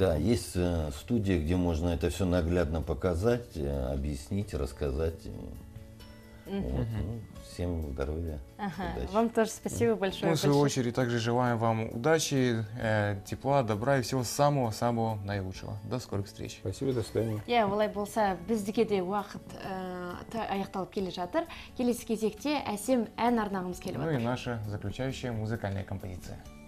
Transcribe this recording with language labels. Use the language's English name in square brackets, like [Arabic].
[Russian] Да, есть студия, где можно это все наглядно показать, объяснить, рассказать. Вот, ну, всем здоровья. Удачи. Вам тоже спасибо большое. Мы, в свою очередь, также желаем вам удачи, тепла, добра и всего самого-самого наилучшего. До скорых встреч. Спасибо, до свидания. [Kazakh] Я, олай болса, біздеге де уақыт аяқталып келе жатыр. Келесі кезекте әсем ән арнағымыз келіп отыр. [Russian] Ну и наша заключающая музыкальная композиция.